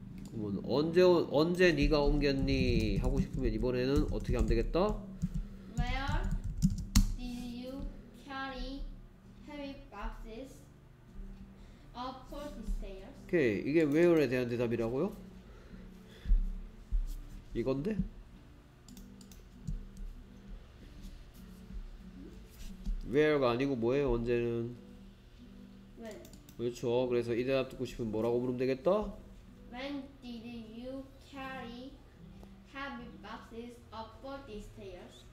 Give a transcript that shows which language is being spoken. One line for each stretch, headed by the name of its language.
Korean: 그러면 언제 네가 옮겼니 하고 싶으면 이번에는 어떻게 하면 되겠다?
English: Where did you carry heavy boxes up for the stairs?
Korean: 오케이, 이게 where에 대한 대답이라고요? 이건데? 웨어가 아니고 뭐예요? 언제는? 왜? 그렇죠. 그래서 이 대답 듣고 싶으면 뭐라고 물으면 되겠다?
English: When did you carry heavy boxes up for the stairs?